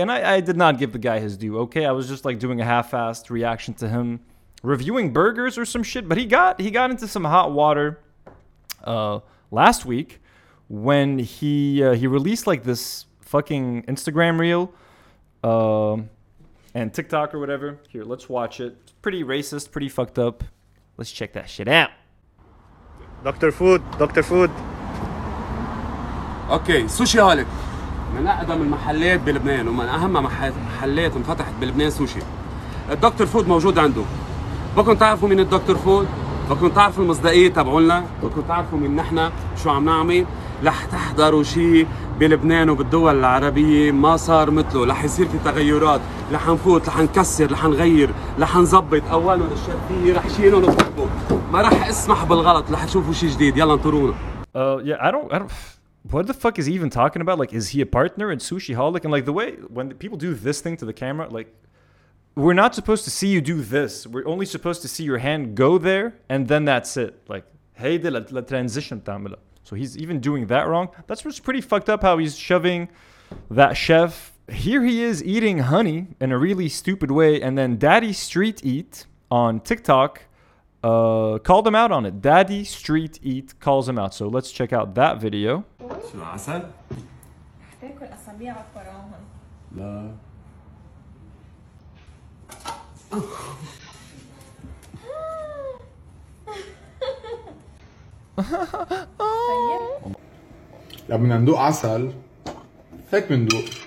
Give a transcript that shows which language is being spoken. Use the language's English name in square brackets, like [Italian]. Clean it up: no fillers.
[English] And I did not give the guy his due, okay? I was just like doing a half-assed reaction to him reviewing burgers or some shit. But he got into some hot water last week when he released like this fucking Instagram reel and TikTok or whatever. Here, let's watch it. It's pretty racist, pretty fucked up. Let's check that shit out. Dr. Food, Dr. Food. [Arabic] اوكي سوشي هوليك من اقدم المحلات بلبنان ومن اهم محلات انفتحت بلبنان سوشي الدكتور فود موجود عنده بكن تعرفوا مين الدكتور فود بكن تعرفوا المصداقيه تبعولنا بكن تعرفوا مين نحن شو عم نعمل رح تحضروا شيء بلبنان وبالدول العربيه ما صار مثله رح يصير في تغيرات رح نفوت رح نكسر رح نغير رح نظبط اول ما الشرقيه رح شيله ونظبطه ما رح اسمح بالغلط رح تشوفوا شيء جديد يلا انطرونا [English] What the fuck is he even talking about? Like, is he a partner in Sushiholic? And like the way when people do this thing to the camera, like, we're not supposed to see you do this. We're only supposed to see your hand go there, and then that's it. Like, hey, de la transition tamila. So he's even doing that wrong. That's what's pretty fucked up. How he's shoving that chef. Here he is eating honey in a really stupid way, and then Daddy Street Eat on TikTok called him out on it. Daddy Street Eat calls him out. So let's check out that video. [Arabic] شو العسل؟ رح تاكل اسابيع فراهم لا لما بدنا ندوق عسل هيك بندوق